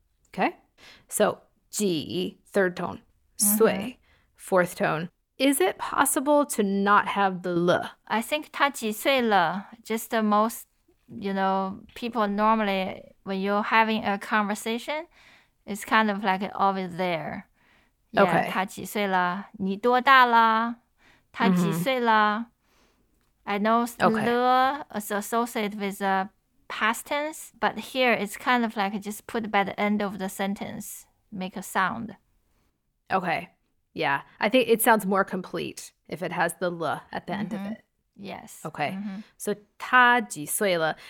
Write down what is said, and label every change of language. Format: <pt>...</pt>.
<en>Okay, so 几, third tone, 岁, mm-hmm. fourth tone. Is it possible to not have the 了? I think</en> <zh>她几岁了,</zh> <en>just the most, you know, people normally, when you're having a conversation, it's kind of like always there. Yeah, okay.</en> <zh>她几岁了, 你多大了, 她几岁了.</zh> <en>Mm-hmm. I know 了 okay. is associated with a past tense, but here it's kind of like just put by the end of the sentence, make a sound. Okay. Yeah. I think it sounds more complete if it has the le at the mm-hmm. end of it. Yes. Okay. Mm-hmm. So</en> <zh>她几岁了.</zh>